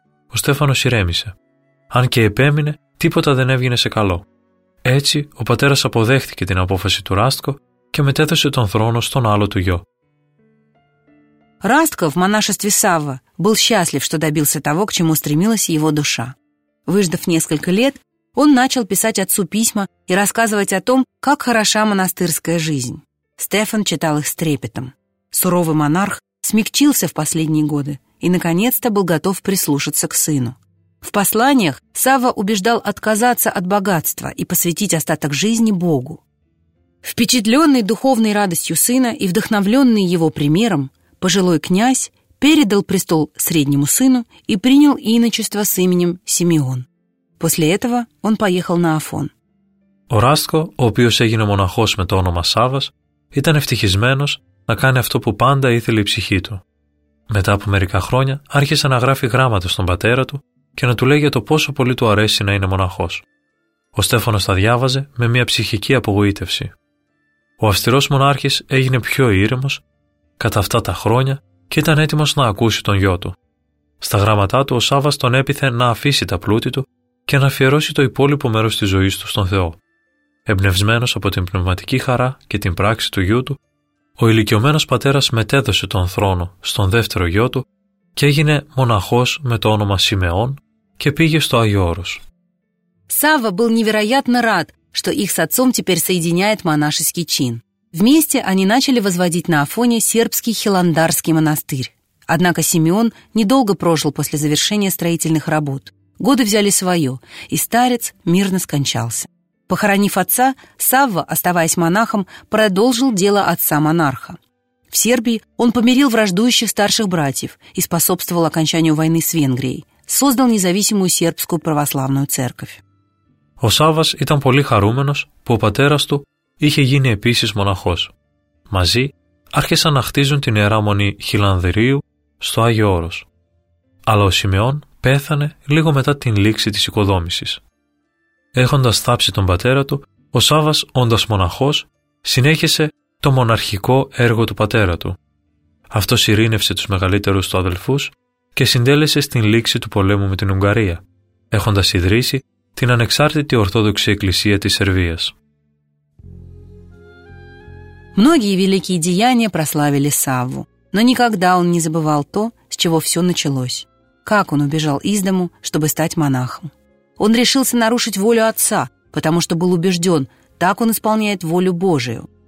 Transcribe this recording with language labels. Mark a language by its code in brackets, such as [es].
[el] Ο Στέφανος ηρέμησε. Αν και επέμεινε, τίποτα δεν έβγαινε σε καλό. Έτσι, ο πατέρας αποδέχτηκε την απόφαση του Ράστκο και μετέθεσε τον θρόνο στον άλλο του γιο. [ru] Растко в монашестве Савва был счастлив, что добился того, к чему стремилась его душа. Выждав несколько лет, он начал писать отцу письма и рассказывать о том, как хороша монастырская жизнь. Стефан читал их с трепетом. Суровый монарх смягчился в последние годы и, наконец-то, был готов прислушаться к сыну. В посланиях Савва убеждал отказаться от богатства и посвятить остаток жизни Богу. Впечатленный духовной радостью сына и вдохновленный его примером, пожилой князь передал престол среднему сыну и принял иночество с именем Симеон. После этого он поехал на Афон. [el] Ο Ράστκο, ο οποίος έγινε μοναχός με το όνομα Σάββας, ήταν ευτυχισμένος να κάνει αυτό που πάντα ήθελε η ψυχή του. Μετά από μερικά χρόνια άρχισε να γράφει γράμματα στον πατέρα του και να του λέει για το πόσο πολύ του αρέσει να είναι μοναχός. Ο Στέφανος τα διάβαζε με μια ψυχική απογοήτευση. Ο αυστηρός μονάρχης έγινε πιο ήρεμος κατά αυτά τα χρόνια και ήταν έτοιμος να ακούσει τον γιο του. Στα γράμματά του ο Σάββας τον έπειθε να αφήσει τα πλούτη του και να αφιερώσει το υπόλοιπο μέρος της ζωής του στον Θεό. Εμπνευσμένος από την πνευματική χαρά και την πράξη του γιου του, ο ηλικιωμένος πατέρας μετέδωσε τον θρόνο στον δεύτερο γιο του και έγινε μοναχός με το όνομα Σιμεών και πήγε στο Άγιο Όρος. [ru] Σάββα был невероятно рад, что их с отцом теперь соединяет монашеский чин. Вместе они начали возводить на Афоне сербский Хиландарский монастырь. Однако Симеон недолго прожил после завершения строительных работ. Годы взяли свое, и старец мирно скончался. Похоронив отца, Савва, оставаясь монахом, продолжил дело отца-монарха. В Сербии он помирил враждующих старших братьев и способствовал окончанию войны с Венгрией, создал независимую сербскую православную церковь. [el] О Саввас ήταν πολύ χαρούμενος που ο πατέρας του είχε γίνει επίσης μοναχός. Μαζί άρχισαν να χτίζουν την Ιερά Μονή Χιλανδηρίου στο Άγιο Όρος. Αλλά ο Σιμεών πέθανε λίγο μετά την λήξη της οικοδόμησης. Έχοντας θάψει τον πατέρα του, ο Σάββας, όντας μοναχός, συνέχισε το μοναρχικό έργο του πατέρα του. Αυτό ειρήνευσε τους μεγαλύτερους του αδελφούς και συντέλεσε στην λήξη του πολέμου με την Ουγγαρία, έχοντας ιδρύσει την ανεξάρτητη Ορθόδοξη Εκκλησία της Σερβίας. [ru] Многие великие деяния прославили Савву, но никогда он не забывал то, с чего все началось. Как он убежал из дому, чтобы стать монахом. Он решился нарушить волю отца, потому что был убежден, так он исполняет волю Божию.